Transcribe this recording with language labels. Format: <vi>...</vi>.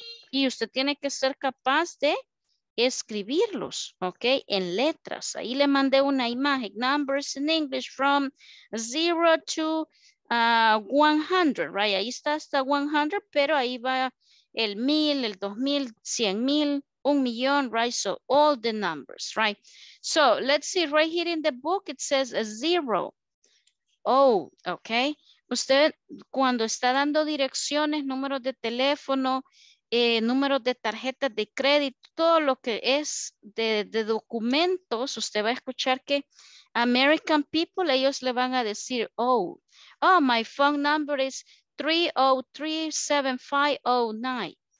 <es>Y usted tiene que ser capaz de escribirlos, ok, en letras. Ahí le mandé una imagen,</es> <en>numbers in English from 0 to 100,</en> <es>right? Ahí está hasta 100, pero ahí va el 1000, el 2000, 100,000, 1,000,000, right?</es> <en>So all the numbers, right? So let's see, right here in the book it says 0. Oh, ok.</en> <es>Usted cuando está dando direcciones, números de teléfono, números de tarjetas de crédito, todo lo que es de documentos, usted va a escuchar que American people, ellos le van a decir,</es> <en>oh, oh, my phone number is 303-7509.</en>